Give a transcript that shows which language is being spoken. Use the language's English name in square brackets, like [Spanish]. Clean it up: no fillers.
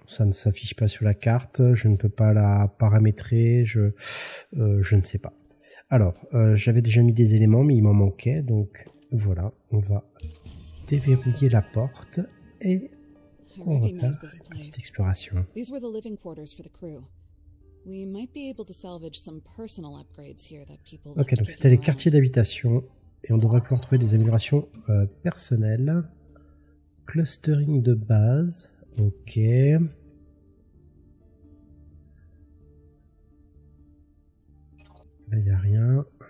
[French] Ça ne s'affiche pas sur la carte. Je ne peux pas la paramétrer. Je ne sais pas. Alors, j'avais déjà mis des éléments, mais il m'en manquait. Donc voilà, on va déverrouiller la porte et on va faire une petite exploration. [English] These were the living quarters for the crew. We might be able to salvage some personal upgrades here that people. [French] Ok, donc c'était les quartiers d'habitation et on devrait pouvoir trouver des améliorations personnelles. Clustering de base, ok. Là, il n'y a rien.